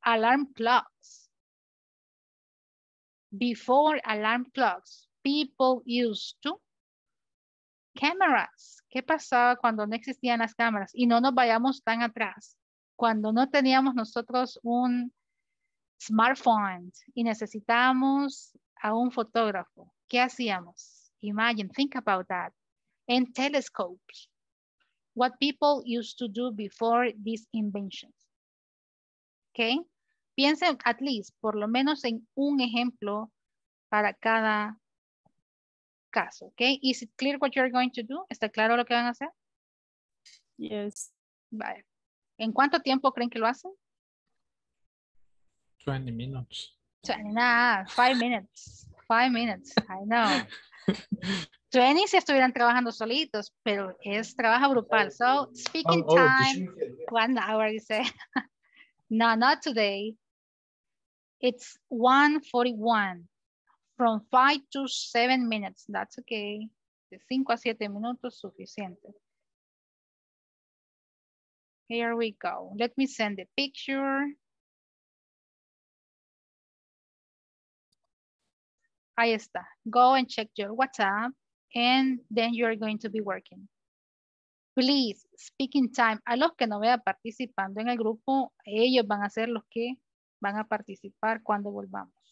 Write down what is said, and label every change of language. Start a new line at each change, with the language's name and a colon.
English: Alarm clocks. Before alarm clocks, people used to. Cameras.
Spanish: ¿Qué pasaba cuando no existían las cámaras? Y no nos vayamos tan atrás. Cuando no teníamos nosotros un smartphone y necesitábamos a un fotógrafo. ¿Qué hacíamos?
English: Imagine, think about that. And telescopes. What people used to do before these inventions. Okay?
Spanish: Piensen
English: at least,
Spanish: por lo menos en un ejemplo para cada caso.
English: Okay? Is it clear what you're going to do?
Spanish: ¿Está claro lo que van a hacer?
English: Yes.
Spanish: Vale. ¿En cuánto tiempo creen que lo hacen?
English: 20 minutes. Five minutes, I know.
Spanish: 20 si estuvieran trabajando solitos, pero es trabajo grupal.
English: So, speaking time, 1 hour, you say. No, not today. It's 1:41. From 5 to 7 minutes. That's okay.
Spanish: De 5 a 7 minutos, suficiente.
English: Here we go. Let me send the picture.
Spanish: Ahí está.
English: Go and check your WhatsApp and then you're going to be working. Please, speaking time.
Spanish: A los que no vean participando en el grupo, ellos van a ser los que van a participar cuando volvamos.